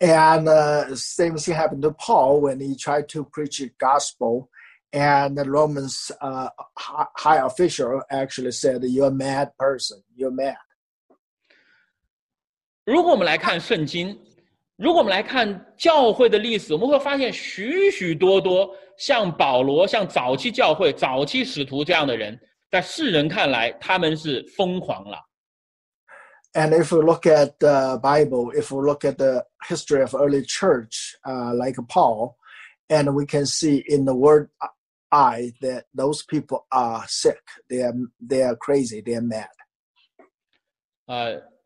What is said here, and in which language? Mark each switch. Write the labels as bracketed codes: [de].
[en] And same thing happened to Paul when he tried to preach gospel, and the Romans high official actually said, "You're a mad person. You're mad." [zh] 如果我们来看圣经，如果我们来看教会的历史，我们会发现许许多多像保罗、像早期教会、早期使徒这样的人，在世人看来，他们是疯狂了。 [en] And if you look at the Bible, if you look at the history of early church, like Paul, and we can see in the word eye that those people are sick, they are crazy, they are mad.